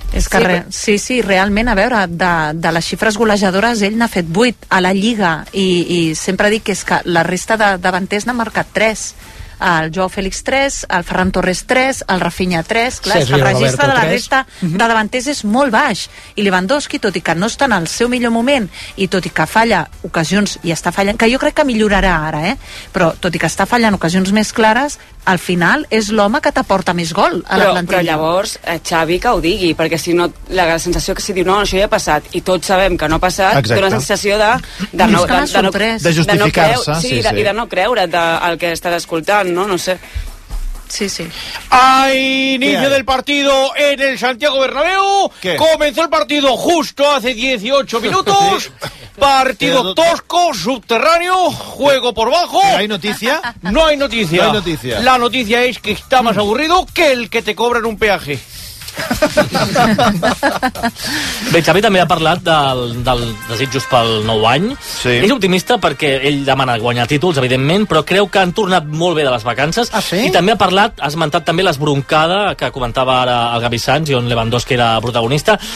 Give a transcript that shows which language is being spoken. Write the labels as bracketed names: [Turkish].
[Catalan] És que sí, realment, a veure, de les xifres golejadores, ell n'ha fet 8 a la Lliga i sempre dic que és que la resta de davanters n'ha marcat 3, el Joao Félix 3, el Ferran Torres 3, el Rafinha 3, clar, el registre de la resta de davanters és molt baix, i Lewandowski, tot i que no està en el seu millor moment, i tot i que falla ocasions i està fallant, que jo crec que millorarà ara, però tot i que està fallant ocasions més clares, al final és l'home que t'aporta més gol a la plantilla. Però llavors, Xavi, que ho digui, perquè si no, la sensació que si diu no, això ja ha passat, i tots sabem que no ha passat, té una sensació de justificar-se. I de no creure el que estàs escoltant, no sé. Sí. [Spanish] A inicio del partido en el Santiago Bernabéu. ¿Qué? Comenzó el partido justo hace 18 minutos. Partido tosco, subterráneo, juego por bajo. ¿Hay noticia? No hay noticia. No hay noticia. La noticia es que está más aburrido que el que te cobra en un peaje. [Catalan] Bé, Xavi també ha parlat del desitjos pel nou any. Sí. És optimista perquè ell demana guanyar títols, evidentment, però creu que han tornat molt bé de les vacances. Ah, sí? I també ha parlat, ha esmentat també l'esbroncada que comentava ara el Gavi Sanz, i on Lewandowski era protagonista.